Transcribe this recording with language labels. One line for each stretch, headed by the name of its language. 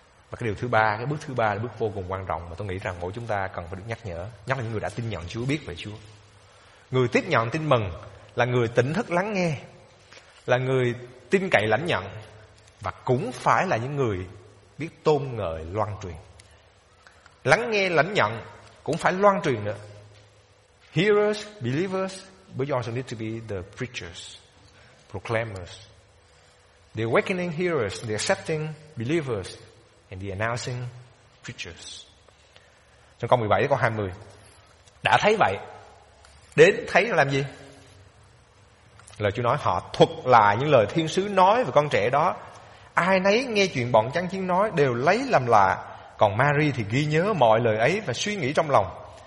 Vietnamese: Và cái điều thứ ba, cái bước thứ ba là bước vô cùng quan trọng mà tôi nghĩ rằng mỗi chúng ta cần phải được nhắc nhở, nhất là những người đã tin nhận Chúa, biết về Chúa. Người tiếp nhận tin mừng là người tỉnh thức lắng nghe, là người tin cậy lãnh nhận, và cũng phải là những người biết tôn ngợi loan truyền. Lắng nghe lãnh nhận cũng phải loan truyền nữa.
English: Hearers, believers, but you also need to be the preachers, proclaimers. The awakening hearers, the accepting believers, and the announcing preachers.
Vietnamese: Trong câu 17 đến câu 20. Đã thấy vậy, đến thấy làm gì? Lời Chúa nói họ thuật lại những lời thiên sứ nói về con trẻ đó. Ai nấy nghe chuyện bọn chăn chiên nói đều lấy làm lạ. Còn Mary thì ghi nhớ mọi lời ấy và suy nghĩ trong lòng.